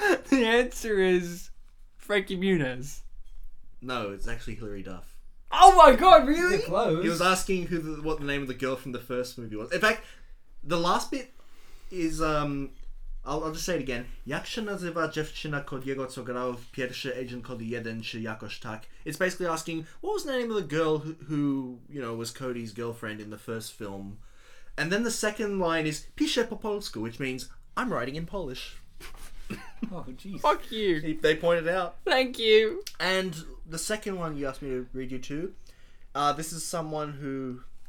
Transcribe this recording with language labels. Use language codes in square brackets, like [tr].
[en] The answer is Frankie Muniz. No, it's actually Hilary Duff. Oh my god, really? You're close. He was asking what the name of the girl from the first movie was. In fact, the last bit is, I'll just say it again. [pl] Jak się nazywa dziewczyna Kodiego, co grał w pierwszy Agent Cody 1, czy jakoś tak? [en] It's basically asking, what was the name of the girl who you know, was Cody's girlfriend in the first film? And then the second line is, [pl] pisze po polsku, [en] which means, I'm writing in Polish. Oh, jeez. Fuck you. They pointed out. Thank you. And the second one you asked me to read you to, this is someone who...